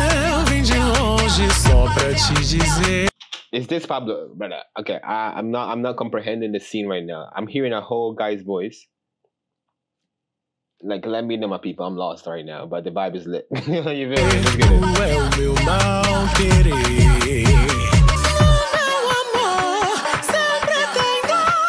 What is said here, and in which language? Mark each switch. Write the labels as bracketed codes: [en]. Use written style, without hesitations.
[pt] Eu vim de longe só pra te dizer. [en] Is this PABLLO, brother? Okay, I'm not comprehending the scene right now. I'm hearing a whole guy's voice. Like, let me know, my people. I'm lost right now, but the vibe is lit. You feel me? Let's get it. [pt] Tu é o meu mal querer. No meu amor, sempre tenho.